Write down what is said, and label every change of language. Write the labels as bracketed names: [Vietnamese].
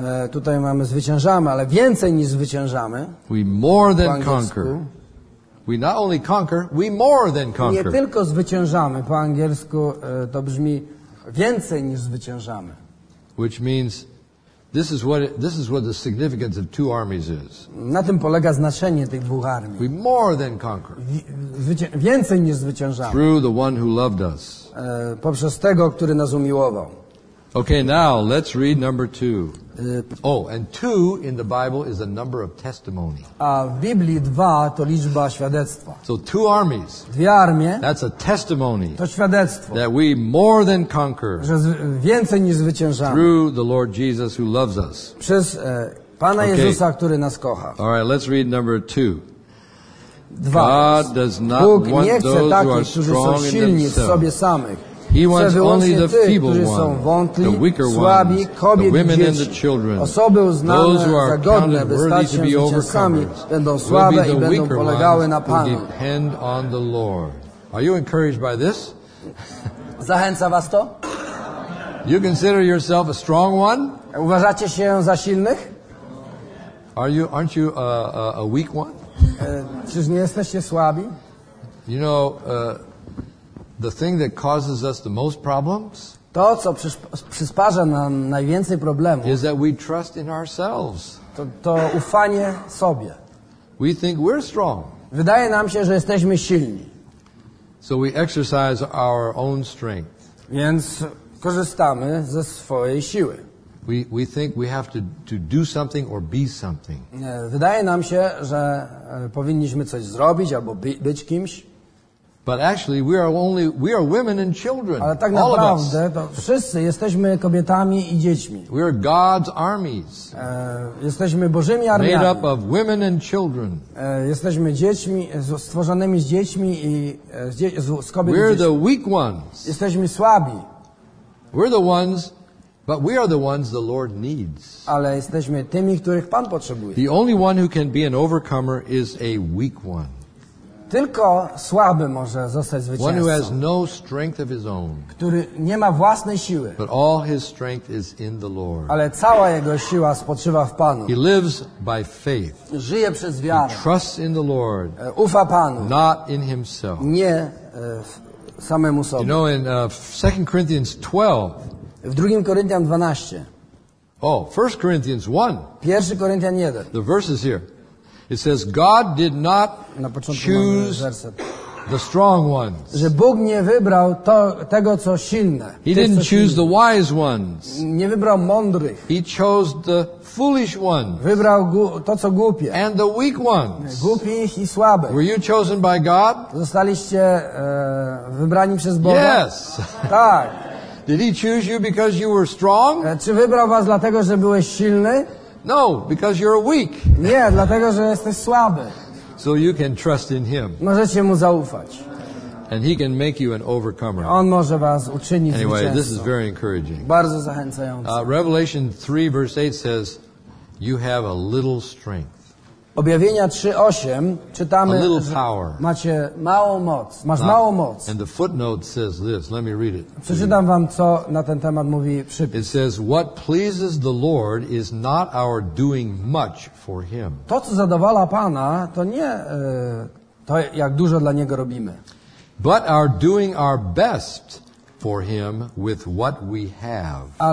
[Polish] Tutaj mamy zwyciężamy, ale więcej niż zwyciężamy. [English] We more than conquer. We not only conquer, we more than conquer. [Polish] Nie tylko zwyciężamy. Po angielsku to brzmi więcej niż zwyciężamy. [English] Which means this is what the significance of two armies is. [Polish] Na tym polega znaczenie tych dwóch armii. [English] We more than conquer. [Polish] Więcej niż zwyciężamy. [English] Through the one who loved us. [Polish] Poprzez tego, który nas umiłował. [English] Okay, now let's read number two. Oh, and two in the Bible is a number of testimony. [Polish] A w Biblii dwa to liczba świadectwa. [English] So two armies. [Polish] Dwie armie. [English] That's a testimony. [Polish] To świadectwo. [English] That we more than conquer. [Polish] Że więcej niż zwyciężamy. [English] Through the Lord Jesus who loves us. [Polish] Przez Pana Jezusa, który nas kocha. [English] All right, let's read number two. [Polish] Dwa. [English] God does not [Polish] Bóg [English] want [Polish] nie chce [English] those [Polish] takich, [English] who are [Polish] którzy [English] strong [Polish] są silni [English] in themselves. [Polish] W sobie samych. [English] He wants only the feeble ones, [Polish] wątli, [English] the weaker [Polish] słabi, [English] ones, the women [Polish] dzieci, [English] and the children, [Polish] osoby uznane, [English] those who are [Polish] zagodne, [English] counted worthy to be overcomers, will be the weaker ones who depend on the Lord. Are you encouraged by this? [Polish] Zachęca was to? [English] You consider yourself a strong one? [Polish] Uważacie się za silnych? [English] Aren't you a weak one? [Polish] Czyż nie jesteście słabi? [English] You know, the thing that causes us the most problems, [Polish] to co przysparza nam najwięcej problemów, [English] is that we trust in ourselves. [Polish] To ufanie sobie. [English] We think we're strong. [Polish] Wydaje nam się, że jesteśmy silni. [English] So we exercise our own strength. [Polish] Więc korzystamy ze swojej siły. [English] We think we have to do something or be something. [Polish] Wydaje nam się, że powinniśmy coś zrobić albo być kimś. [English] But actually, we are women and children. [Polish] Ale tak [English] all [Polish] naprawdę, [English] of us. [Polish] To wszyscy jesteśmy kobietami i dziećmi. [English] We are God's armies. [Polish] Jesteśmy Bożymi armiami. [English] Made up of women and children. [Polish] Jesteśmy dziećmi, stworzonymi z dziećmi i z kobiet. [English] We're the weak ones. [Polish] Jesteśmy słabi. [English] We're the ones, but we are the ones the Lord needs. [Polish] Ale jesteśmy tymi, których Pan potrzebuje. [English] The only one who can be an overcomer is a weak one. [Polish] Tylko słaby może zostać zwycięzcą. [English] One who has no strength of his own, [Polish] który nie ma własnej siły. [English] But all his strength is in the Lord. [Polish] Ale cała jego siła spoczywa w Panu. [English] He lives by faith. [Polish] Żyje przez wiarę. [English] He trusts in the Lord. [Polish] Ufa Panu. [English] Not in himself. [Polish] Nie w samemu sobie. [English] You know, in 2 Corinthians 12. [Polish] W 2 Koryntian 12. [English] Oh, 1 Corinthians 1. [Polish] 1 Koryntian 1. [English] The verse is here. It says God did not choose the strong ones. [Polish] Że Bóg nie wybrał tego co silne. [English] He didn't choose the wise ones. [Polish] Nie wybrał mądrych. [English] He chose the foolish ones. [Polish] Wybrał to co głupie. [English] And the weak ones. [Polish] Głupich i słabych. [English] Were you chosen by God? [Polish] Zostaliście wybrani przez Boga? [English] Yes. [Polish] Tak. [English] Did he choose you because you were strong? [Polish] Czy wybrał was dlatego że byłeś silny? [English] No, because you're weak. [Polish] Nie, dlatego że jesteś słaby. [English] So you can trust in him. [Polish] Możecie mu zaufać. [English] And he can make you an overcomer. [Polish] On może was uczynić [English] anyway, [Polish] zwycięzcą. [English] This is very encouraging. [Polish] Bardzo zachęcające. [English] Revelation 3 verse 8 says you have a little strength. [Polish] Objawienia 3:8 czytamy [English] a little power. [Polish] Macie małą moc. Masz małą moc. [English] And the footnote says this. Let me read it. [Polish] Przeczytam wam co na ten temat mówi przypis. [English] It says what pleases the Lord is not our doing much for him. [Polish] To co zadowala Pana, to nie to jak dużo dla niego robimy. [English] But our doing our best for him with what we have.